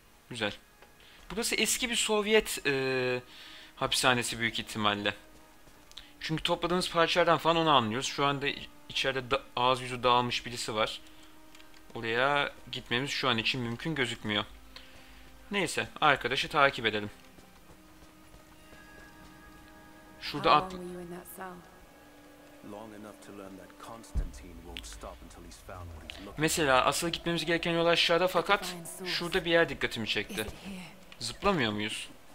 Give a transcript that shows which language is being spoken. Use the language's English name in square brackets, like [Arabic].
[Turkish] Güzel. Burası eski bir Sovyet hapishanesi büyük ihtimalle. Çünkü topladığınız parçalardan falan onu anlıyoruz. Şu anda içeride ağız yüzü dağılmış birisi var. Oraya gitmemiz şu an için mümkün gözükmüyor. Neyse, arkadaşı takip edelim. Şurada [English] How [Turkish] atla... [English] long were you in that cell? Long enough to learn that Constantine won't stop until he's found what he's looking for. [Turkish] Mesela asıl gitmemiz gereken yol aşağıda fakat şurada bir yer dikkatimi çekti. Zıplamıyor muyuz?